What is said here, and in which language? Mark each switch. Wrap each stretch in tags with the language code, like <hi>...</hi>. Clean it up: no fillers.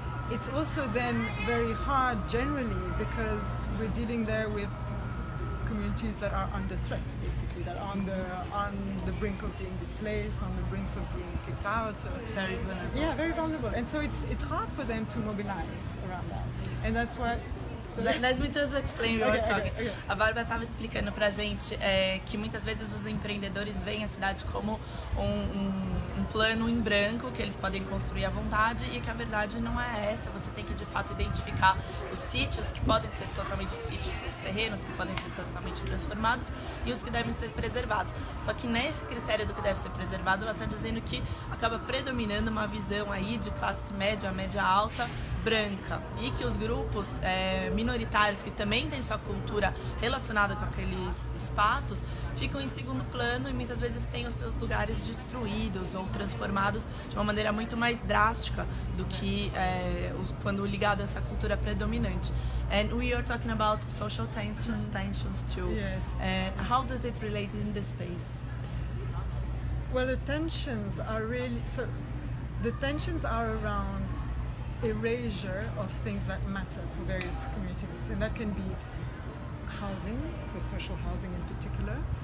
<en>It's also then very hard generally because we're dealing there with communities that are under threat, basically, that are on the brink of being displaced, on the brink of being kicked out. Very vulnerable. Yeah, very vulnerable. And so it's hard for them to mobilize around that. And that's why... Let me just explain what we're talking.</en> <pt>A Barbara estava explicando para a gente que muitas vezes os empreendedores veem a cidade como um plano em branco que eles podem construir à vontade e que a verdade não é essa. Você tem que, de fato, identificar os sítios que podem ser totalmente sítios, os terrenos que podem ser totalmente transformados e os que devem ser preservados. Só que nesse critério do que deve ser preservado, ela está dizendo que acaba predominando uma visão aí de classe média, média alta, branca, e que os grupos minoritários que também têm sua cultura relacionada com aqueles espaços ficam em segundo plano e muitas vezes têm os seus lugares destruídos ou transformados de uma maneira muito mais drástica do que quando ligado a essa cultura predominante.</pt> <en>And we are talking about social tensions too. Yes. How does it relate in this space? Well, the tensions are around erasure of things that matter for various community groups, and that can be housing, so social housing in particular.</en>